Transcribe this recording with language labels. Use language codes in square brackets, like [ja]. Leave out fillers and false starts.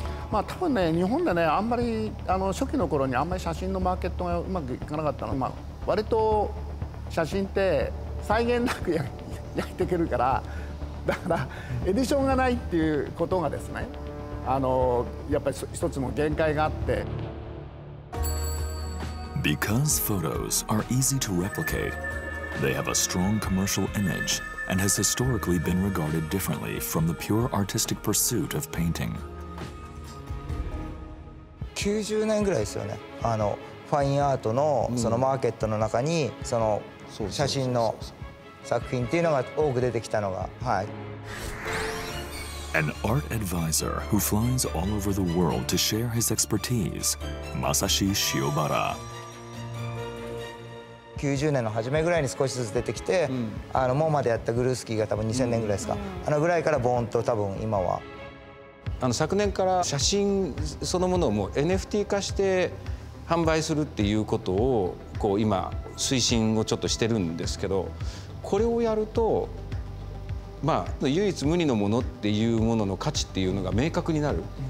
[ja] まあ多分ね、日本でねあんまり初期の頃にあんまり写真のマーケットがうまくいかなかったの、まあ、割と写真って際限なく焼いていけるから、だからエディションがないっていうことがですね、やっぱり一つの限界があって。 [en] Because photos are easy to replicate, they have a strong commercial image and has historically been regarded differently from the pure artistic pursuit of painting. [ja] 90年ぐらいですよね、ファインアート の, そのマーケットの中にその写真の作品っていうのが多く出てきたのが、はい。 [en] An art advisor who flies all over the world to share his expertise, Masashi Shiobara. [ja] 90年の初めぐらいに少しずつ出てきて、モーマでやったグルースキーが多分2000年ぐらいですか、あのぐらいからボーンと多分今は。昨年から写真そのものをもう NFT 化して販売するっていうことをこう今推進をちょっとしてるんですけど、これをやるとまあ唯一無二のものっていうものの価値っていうのが明確になる。